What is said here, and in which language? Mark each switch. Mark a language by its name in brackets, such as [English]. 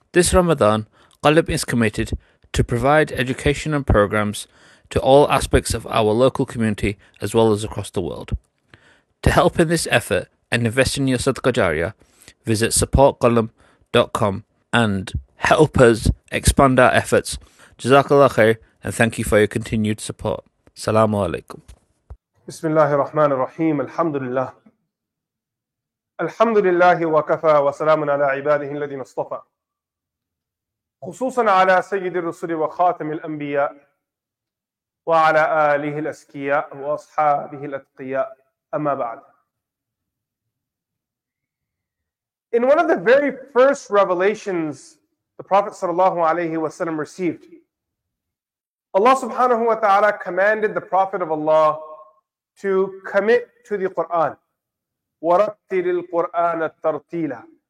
[English] This Ramadan, Qalb is committed to provide education and programs to all aspects of our local community as well as across the world. To help in this effort and invest in your Sadqa Jariyah, visit supportqalb.com and help us expand our efforts. Jazakallah khair and thank you for your continued support. Assalamu alaikum. [Arabic] بسم الله الرحمن الرحيم الحمد لله الحمد لله وكفى وسلام على عباده الذين اصطفى خصوصا على سيد الرسل وخاتم الأنبياء وعلى آله الأسكياء وأصحابه الأتقياء أما بعد. [English] In one of the very first revelations the Prophet صلى الله عليه وسلم received, Allah سبحانه وتعالى commanded the Prophet of Allah to commit to the Qur'an. [Arabic] وَرَتِّلِ الْقُرْآنَ تَرْتِيلًا.